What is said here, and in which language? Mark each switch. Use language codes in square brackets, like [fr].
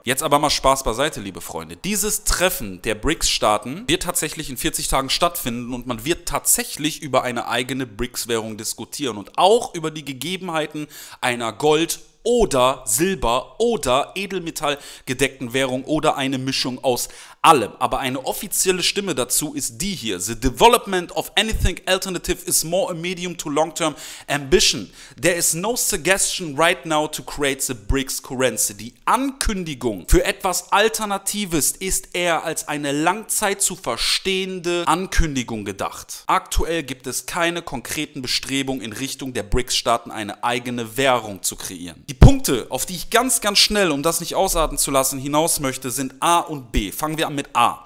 [de] Jetzt aber mal Spaß beiseite, liebe Freunde. Dieses Treffen der BRICS-Staaten wird tatsächlich in 40 Tagen stattfinden und man wird tatsächlich über eine eigene BRICS-Währung diskutieren und auch über die Gegebenheiten einer Gold- oder Silber- oder Edelmetall-gedeckten Währung oder eine Mischung aus allem. Aber eine offizielle Stimme dazu ist die hier. [en] The development of anything alternative is more a medium to long-term ambition. There is no suggestion right now to create the BRICS currency. [de] Die Ankündigung für etwas Alternatives ist eher als eine Langzeit zu verstehende Ankündigung gedacht. Aktuell gibt es keine konkreten Bestrebungen in Richtung der BRICS-Staaten, eine eigene Währung zu kreieren. Die Punkte, auf die ich ganz, ganz schnell, um das nicht ausarten zu lassen, hinaus möchte, sind A und B. Fangen wir mit A.